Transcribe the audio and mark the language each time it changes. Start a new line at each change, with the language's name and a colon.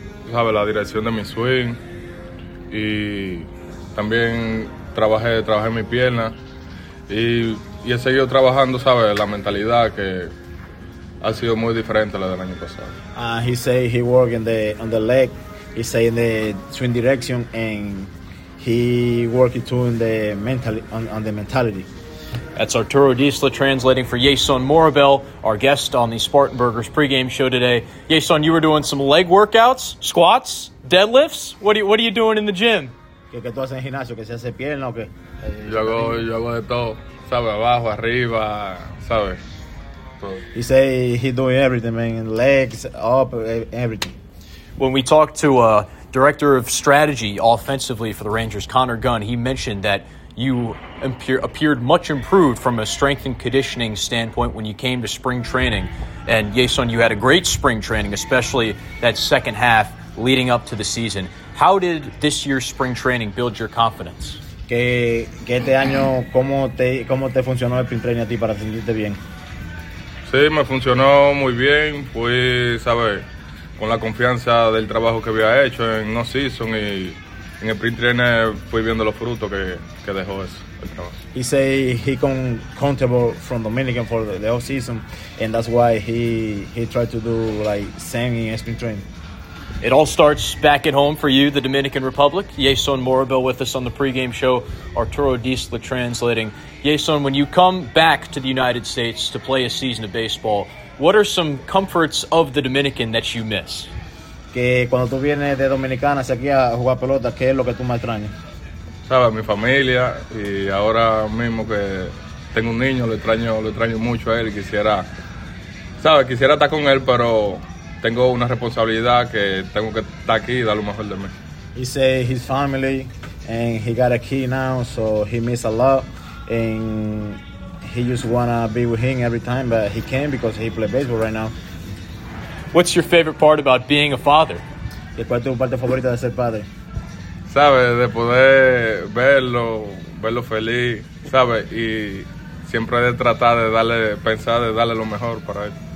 Spanish: Trabajé la dirección de mi swing, y también trabajé mi pierna. Y he seguido trabajando, ¿sabes? La mentalidad, que ha sido muy diferente a la del año pasado.
English: He say he work on the leg. He say in the swing direction, and he working too on the mentality. That's Arturo Disla translating for Yason Morabel, our guest on the Spartan Burgers pregame show today. Yason, you were doing some leg workouts, squats, deadlifts. What are you doing in the gym?
Spanish: ¿Qué tú haces en gimnasio? ¿Que se hace pierna o qué? Yo hago de todo, ¿sabes? Abajo, arriba, ¿sabes?
English: He say he doing everything, man. Legs, up, everything. When we talked to director of strategy offensively for the Rangers, Connor Gunn, he mentioned that you appeared much improved from a strength and conditioning standpoint when you came to spring training. And Yason, you had a great spring training, especially that second half leading up to the season. How did this year's spring training build your confidence?
Spanish: Que este año, ¿cómo te funcionó el spring training a ti para sentirte bien? Sí, me funcionó muy bien. Fui, ¿sabes? Con la confianza del trabajo que había hecho en no season, y en el spring training fui viendo los frutos que dejó eso, el trabajo.
English: He say he come comfortable from Dominican for the off season, and that's why he tried to do like same in spring training. It all starts back at home for you, the Dominican Republic. Yason Morabel with us on the pregame show. Arturo Disla translating. Yason, when you come back to the United States to play a season of baseball, what are some comforts of the Dominican that you miss?
Spanish: Que cuando tú vienes de Dominicana aquí a jugar pelota, ¿qué es lo que tú más extrañas? Sabes, mi familia, y ahora mismo que tengo un niño, lo extraño mucho a él. Quisiera estar con él, pero tengo una responsabilidad que tengo que estar aquí y dar lo mejor de mí.
English: He say his family, and he got a key now, so he miss a lot, and he just wanna be with him every time, but he can't because he play baseball right now. What's your favorite part about being a father?
Spanish: ¿Cuál es tu parte favorita de ser padre? Sabes, de poder verlo feliz, sabes, y siempre de tratar de darle, pensar de darle lo mejor para él.